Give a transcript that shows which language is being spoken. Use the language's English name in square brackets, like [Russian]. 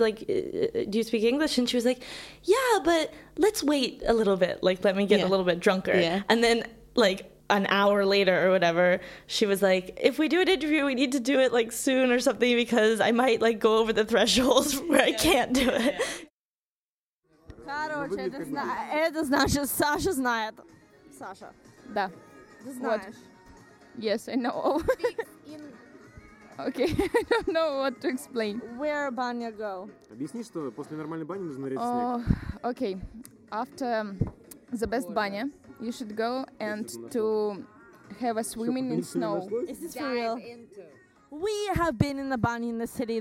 [English] Like, do you speak English? And she was like, yeah, but let's wait a little bit. Like, let me get a little bit drunker. Yeah. And then, like, an hour later or whatever, she was like, if we do an interview, we need to do it, like, soon or something, because I might, like, go over the thresholds where I can't do it. Yeah. [Russian] Короче, это значит, Саша знает. Саша. Да. Ты знаешь. [English] What? Yes, I know. Speak in... Okay, I don't know what to explain. Where banya go? [Russian] Объясни, что после нормальной бани нужно резать снег. [English] Okay, after the best banya, you should go and to have a swimming in snow. Is this for real? We have been in the banya in the city.